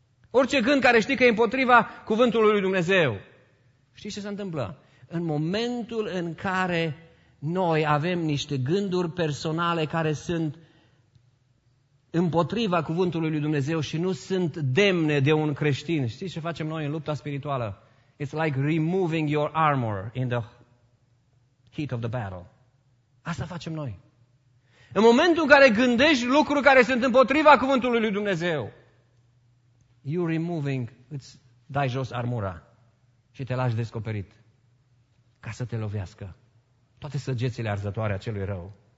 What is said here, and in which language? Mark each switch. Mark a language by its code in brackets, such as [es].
[ro] Orice gând care știi că e împotriva cuvântului lui Dumnezeu. Știi ce se întâmplă? În momentul în care noi avem niște gânduri personale care sunt împotriva cuvântului lui Dumnezeu și nu sunt demne de un creștin. Știți ce facem noi în lupta spirituală? [en] It's like removing your armor in the heat of the battle. [ro] Asta facem noi. În momentul în care gândești lucruri care sunt împotriva cuvântului lui Dumnezeu, [en] you're removing, [ro] îți dai jos armura și te lași descoperit ca să te lovească toate săgețile arzătoare a celui rău.